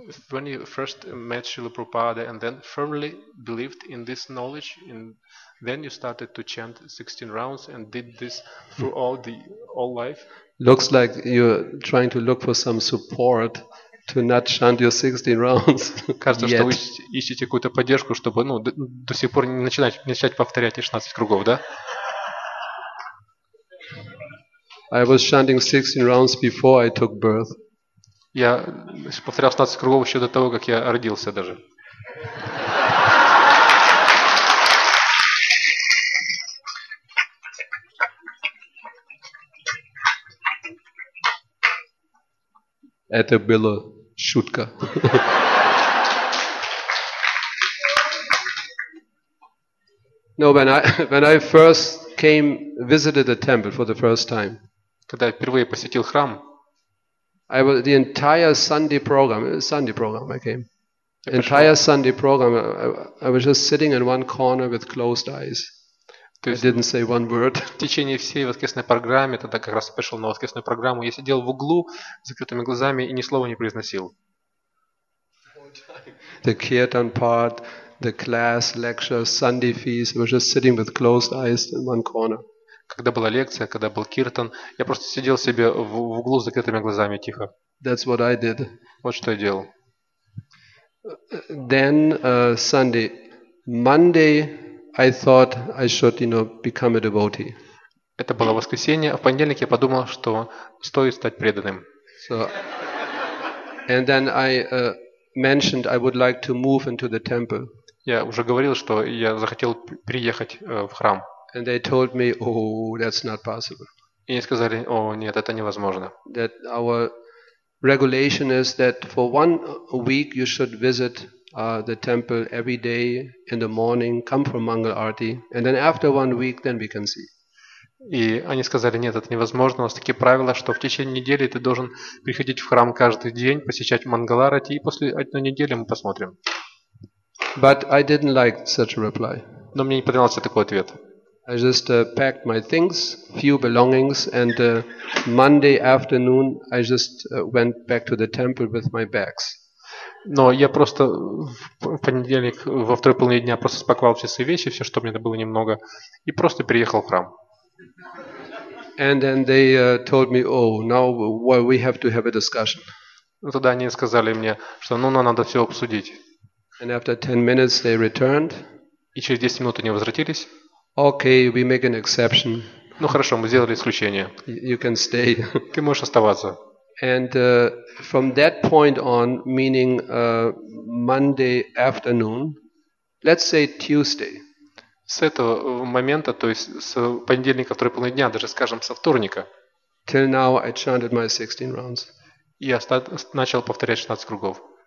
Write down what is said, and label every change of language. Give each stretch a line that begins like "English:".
English: When you first met Srila Prabhupada, and then firmly believed in this knowledge, and then you started to chant 16 rounds and did this through all life. Looks like you're trying to look for some support to not chant your 16 rounds.
Russian: Кажется, что вы ищете какую-то поддержку, чтобы до сих пор не начать повторять 16 кругов, да?
English: I was chanting 16 rounds before I took birth.
Russian: Я повторял 16 кругов еще до того, как я родился даже. Это было шутка.
English: No, when I first came visited the temple for the first time.
Russian: Когда я впервые посетил храм.
English: I was the entire Sunday program I came. Entire Sunday program I was just sitting in one corner with closed eyes.
Russian: То есть,
English: I didn't say one word.
Russian: В течение всей воскресной программы, тогда как раз пришел на воскресную программу, я сидел в углу с закрытыми глазами и ни слова не произносил.
English: The kirtan part, the class, lecture, Sunday feast, I was just sitting with closed eyes in one corner.
Russian: Когда была лекция, когда был киртан, я просто сидел себе в углу с закрытыми глазами тихо.
English: That's what I did.
Russian: Вот что я делал.
English: Then Sunday, Monday. I thought I should, you know, become a devotee.
Russian: Это было воскресенье, а в понедельник я подумал, что стоит стать преданным.
English: So, and then I mentioned I would like to move into the temple.
Russian: Я уже говорил, что я захотел приехать в храм.
English: And they told me, oh, that's not possible.
Russian: И мне сказали, о, нет, это невозможно.
English: That our regulation is that for 1 week you should visit the temple every day in the morning, come for Mangal Arati, and then after 1 week, then we can see.
Russian: И они сказали, нет, это невозможно. У нас такие правила, что в течение недели ты должен приходить в храм каждый день, посещать Мангал Арати, и после одной недели мы посмотрим.
English: But I didn't like such a reply.
Russian: Но мне не понравился такой ответ.
English: I just packed my things, few belongings, and Monday afternoon I just went back to the temple with my bags.
Russian: Но я просто в понедельник, во второй половине дня просто спаковал все свои вещи, все, что мне было немного, и просто переехал в храм.
English: And then they told me, oh, now well, we have to have a discussion.
Russian: Ну, тогда они сказали мне, что ну, нам надо все обсудить.
English: And after 10 minutes they returned.
Russian: И через 10 минут они возвратились.
English: Okay, we make an exception.
Russian: Ну хорошо, мы сделали исключение.
English: You can stay.
Russian: Ты можешь оставаться.
English: And from that point on, meaning Monday afternoon, let's say Tuesday.
Russian: С этого момента, то есть с понедельника второй половины дня, даже скажем со вторника.
English: Till now I chanted my 16 rounds.
Russian: Я начал повторять 16 кругов.